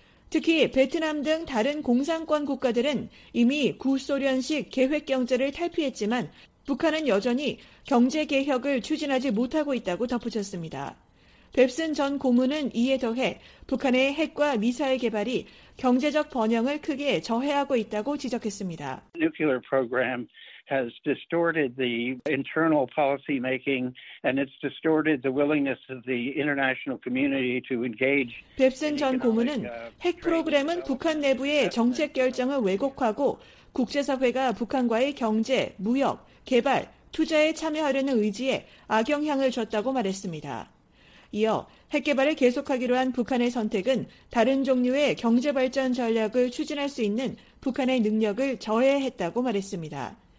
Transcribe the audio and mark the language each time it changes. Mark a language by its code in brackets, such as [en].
[ko] 특히 베트남 등 다른 공산권 국가들은 이미 구소련식 계획 경제를 탈피했지만 북한은 여전히 경제개혁을 추진하지 못하고 있다고 덧붙였습니다. 뎁슨 전 고문은 이에 더해 북한의 핵과 미사일 개발이 경제적 번영을 크게 저해하고 있다고 지적했습니다. [en] Nuclear program has distorted the internal policy making and it's distorted the willingness of the international community to engage. [ko] 뎁슨 전 고문은 핵 프로그램은 북한 내부의 정책 결정을 왜곡하고 국제사회가 북한과의 경제, 무역, 개발, 투자에 참여하려는 의지에 악영향을 줬다고 말했습니다. 이어 핵 개발을 계속하기로 한 북한의 선택은 다른 종류의 경제 발전 전략을 추진할 수 있는 북한의 능력을 저해했다고 말했습니다.